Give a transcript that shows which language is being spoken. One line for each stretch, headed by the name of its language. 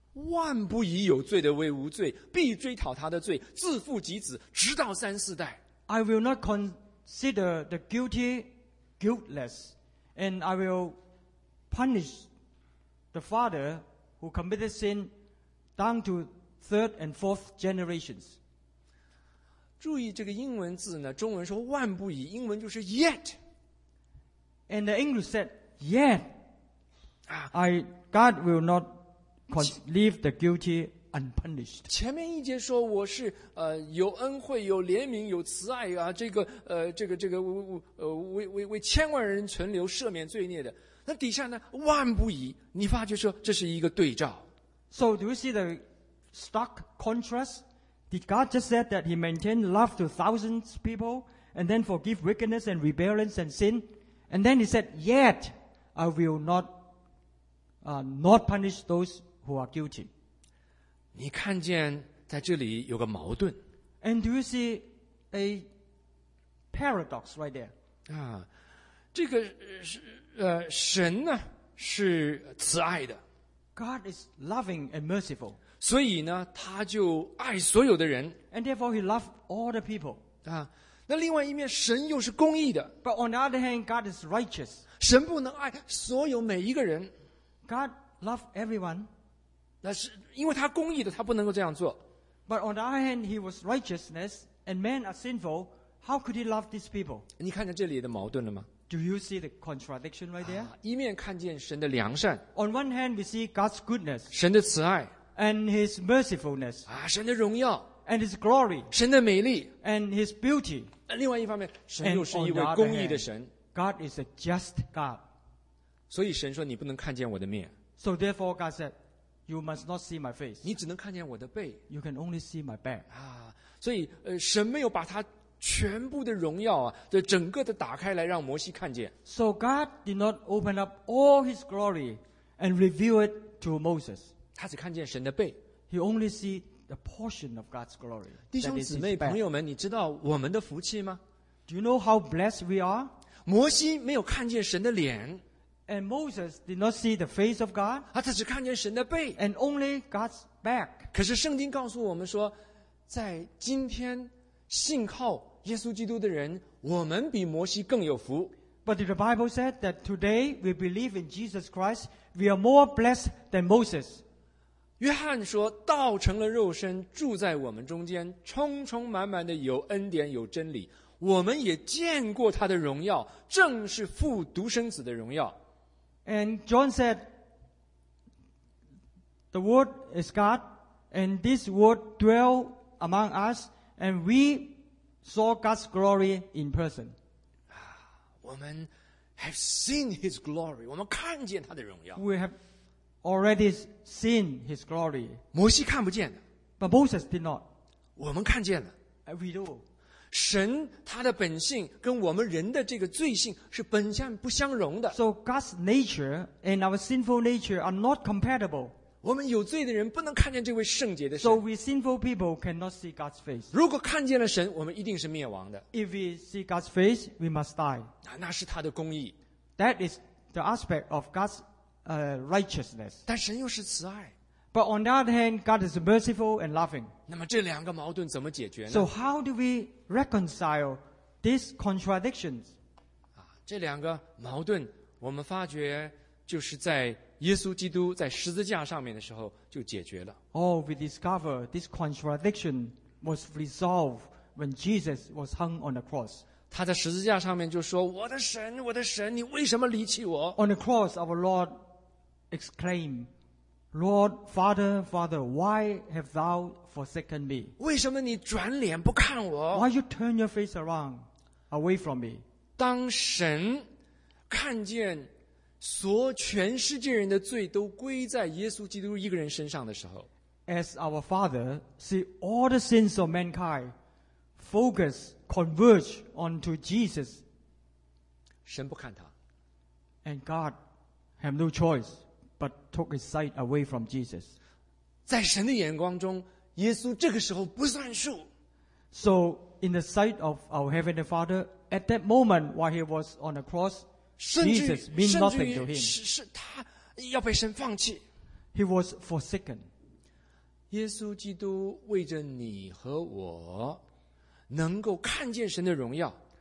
Chinese: 万不以有罪的为无罪, 必追讨他的罪, 自负及子, 直到三四代.
English: I will not consider the guilty guiltless, and I will punish the father who committed sin down to third and fourth generations.
Chinese: 注意这个英文字呢, 中文说万不以, 英文就是 yet.
English: And the English said, yet, 啊, I, God will not leave the guilty unpunished.
Chinese: 前面一节说我是, 有恩惠, 有怜悯, 有慈爱, 啊, 这个, 这个, 为千万人存留, 赦免罪孽的, 那底下呢, 万不以, 你发觉说这是一个对照。
English: So do you see the stark contrast? Did God just said that he maintained love to thousands of people, and then forgive wickedness and rebellion and sin? And then he said, yet I will not not punish those who are guilty.
Chinese: 你看见在这里有个矛盾,
English: and do you see a paradox right there?
Chinese: 啊, 这个是, 神呢, 是慈爱的,
English: God is loving and merciful.
Chinese: 所以呢, 他就爱所有的人,
English: and therefore he loved all the people.
Chinese: 啊, 那另外一面, 神又是公义的,
English: but on the other hand, God is righteous.
Chinese: 神不能爱所有每一个人,
English: God loved everyone.
Chinese: 那是因为他公义的,
English: but on the other hand, he was righteousness, and men are sinful. How could he love these people?
Chinese: 你看看这里的矛盾了吗?
English: Do you see the contradiction right there?
Chinese: 啊, 一面看见神的良善,
English: on one hand, we see God's goodness,
Chinese: 神的慈爱,
English: and his mercifulness,
Chinese: 啊, 神的荣耀,
English: and his glory,
Chinese: 神的美丽,
English: and his beauty.
Chinese: 另外一方面, 神又是一位公义的神,
English: God is a just God.
Chinese: 所以神说你不能看见我的面,
English: so therefore God said, you must not see my face.
Chinese: 你只能看见我的背,
English: you can only see my back.
Chinese: 啊, 所以, 神没有把他 全部的荣耀啊, 整个的打开来让摩西看见。
English: So God did not open up all his glory and reveal it to Moses.
Chinese: 他只看见神的背。
English: He only see the portion of God's glory.
Chinese: 弟兄姊妹朋友们，你知道我们的福气吗？
English: Do you know how blessed we are?
Chinese: 摩西没有看见神的脸。
English: And Moses did not see the face of God.
Chinese: 他只看见神的背。
English: And only God's back.
Chinese: 可是圣经告诉我们说，在今天信靠耶稣基督的人，我们比摩西更有福。
English: But the Bible said that today we believe in Jesus Christ, we are more blessed than Moses.
Chinese: 约翰说，道成了肉身，住在我们中间，充充满满的有恩典，有真理。我们也见过他的荣耀，正是父独生子的荣耀。
English: And John said, the word is God, and this word dwell among us, and we saw God's glory in person. We have seen His glory. We have already seen His glory.
Chinese: 摩西看不见的。
English: But Moses did not.
Chinese: 我们看见了。
English: We do.
Chinese: 神他的本性跟我们人的这个罪性是本相不相容的。
English: So God's nature and our sinful nature are not compatible.
Chinese: 我们有罪的人不能看见这位圣洁的神。
English: So we sinful people cannot see God's face.
Chinese: 如果看见了神，我们一定是灭亡的。
English: If we see God's face, we must die.
Chinese: 那是他的公义。
English: That is the aspect of God'srighteousness.
Chinese: 但神又是慈爱。
English: But on the other hand, God is merciful and loving.
Chinese: 那么这两个矛盾怎么解决呢？
English: So how do we reconcile these contradictions?
Chinese: 这两个矛盾我们发觉就是在耶稣基督在十字架上面的时候就解决了。
English: Oh, we discover this contradiction was resolved when Jesus was hung on the cross.
Chinese: 他在十字架上面就说，我的神，我的神，你为什么离弃我？
English: On the cross, our LordExclaim, Lord, Father, Father, why have thou forsaken me?
Chinese: 为什么你转脸不看我？
English: Why you turn your face around, away from me?
Chinese: 当神看见所全世界人的罪都归在耶稣基督一个人身上的时候，
English: As our Father see all the sins of mankind focus, converge onto Jesus,
Chinese: 神不看他。
English: And God have no choice. But took his sight away from Jesus.
Chinese: 在神的眼光中，耶稣这个时候不算数。
English: So in the sight of our heavenly Father, at that moment while he was on the cross, Jesus means nothing to him.
Chinese: 是他要被神放弃。
English: He was forsaken.
Chinese: 耶稣基督为着你和我能够看见神的荣耀。